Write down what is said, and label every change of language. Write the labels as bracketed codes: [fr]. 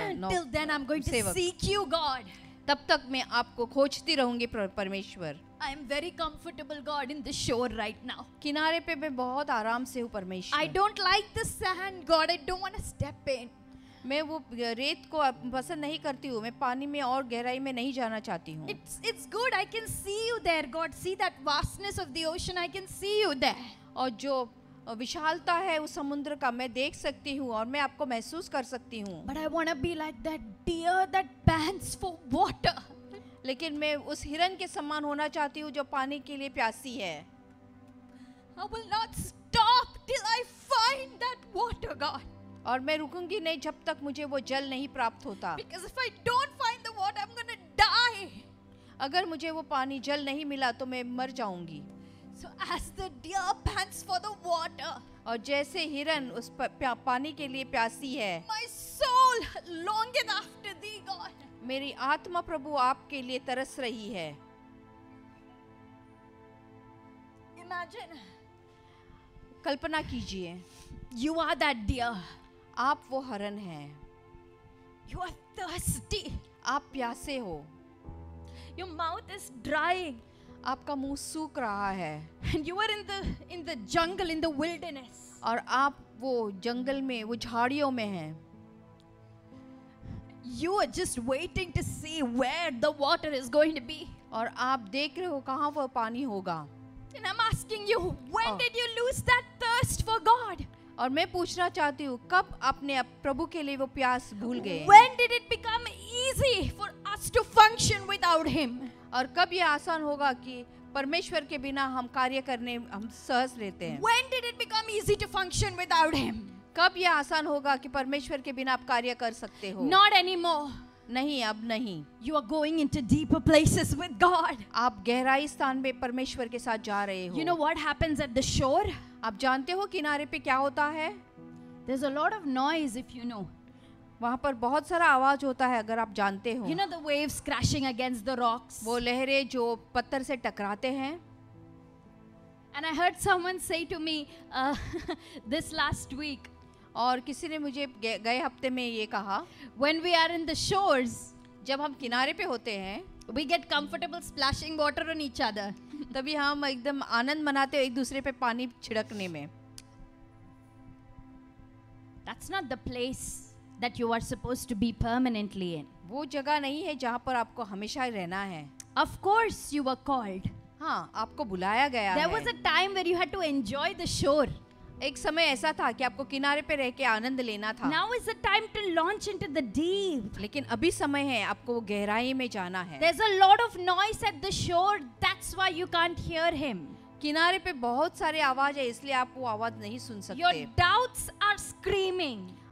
[en] Till then I'm going to seek you, God. [hi] तब तक मैं आपको खोजती रहूंगी परमेश्वर. [en] I am very comfortable, God, in the shore right now. [hi] किनारे पे मैं बहुत आराम से हूँ परमेश्वर. [en] I don't like the sand, God. I don't want to step in. [hi] मैं वो रेत को पसंद नहीं करती हूँ. मैं पानी में और गहराई में नहीं जाना चाहती हूँ. [en] It's good. I can see you there, God. See that vastness of the ocean. I can see you there. [hi] और जो विशालता है उस समुद्र का मैं देख सकती हूँ और मैं आपको महसूस कर सकती हूँ. [en] But I wanna be like that deer that pants for water. [hi] लेकिन मैं उस हिरन के समान होना चाहती हूँ जो पानी के लिए प्यासी है. [en] I will not stop till I find that water, God. [hi] और मैं रुकूंगी नहीं जब तक मुझे वो जल नहीं प्राप्त होता. [en] Because if I don't find the water, I'm gonna die. [hi] अगर मुझे वो पानी जल नहीं मिला तो मैं मर जाऊंगी. [en] So as the deer pants for the water, [hi] और जैसे हिरन उस पानी के लिए प्यासी है. [en] My soul longeth after thee, God. [hi] मेरी आत्मा प्रभु आपके लिए तरस रही है. [en] Imagine. [hi] कल्पना कीजिए. [en] You are that deer. [hi] आप वो हरण हैं. [en] You are thirsty. [hi] आप प्यासे हो. [en] Your mouth is drying. [hi] आपका मुंह सूख रहा है. [en] And you are in the jungle, in the wilderness. [hi] और आप वो जंगल में वो झाड़ियों में हैं. [en] You are just waiting to see where the water is going to be. [hi] और आप देख रहे हो कहाँ वो पानी होगा. [en] And I'm asking you, when did you lose that thirst for God? [hi] और मैं पूछना चाहती हूँ कब आपने प्रभु के लिए वो प्यास भूल गए. [en] When did it become easy for us to function without him? [hi] और कब ये आसान होगा कि परमेश्वर के बिना हम कार्य करने हम सहज लेते हैं. [en] When did it become easy to function without him? [hi] कब ये आसान होगा कि परमेश्वर के बिना आप कार्य कर सकते हो. [en] Not anymore. [hi] नहीं, अब नहीं. [en] You are going into deeper places with God. [hi] आप गहराई स्थान में परमेश्वर के साथ जा रहे हो. [en] You know what happens at the shore? [hi] आप जानते हो किनारे पे क्या होता है? [en] There's a lot of noise if you know. [hi] वहाँ पर बहुत सारा आवाज होता है अगर आप जानते हो. [en] You know the waves crashing against the rocks. [hi] वो लहरें जो पत्थर से टकराते हैं. [en] And I heard someone say to me this last week. [hi] और किसी ने मुझे गए हफ्ते में ये कहा. [en] When we are in the shores, [hi] जब हम किनारे पे होते हैं, [en] we get comfortable splashing water on each other. [hi] तभी हम एकदम आनंद मनाते हैं एक दूसरे पे पानी छिड़कने में. [en] That's not the place that you are supposed to be permanently in. [hi] वो जगह नहीं है जहाँ पर आपको हमेशा रहना है. [en] Of course, you were called. [hi] हाँ, आपको बुलाया गया है. [en] There was a time where you had to enjoy the shore. [hi] एक समय ऐसा था कि आपको किनारे पे रह के आनंद लेना था. [en] Now is the time to launch into the deep. [hi] लेकिन अभी समय है आपको गहराई में जाना है. [en] There's a lot of noise at the shore. That's why you can't hear him. [hi] किनारे पे बहुत सारे आवाज है इसलिए आप वो आवाज नहीं सुन सकते. [en] Your doubts are screaming.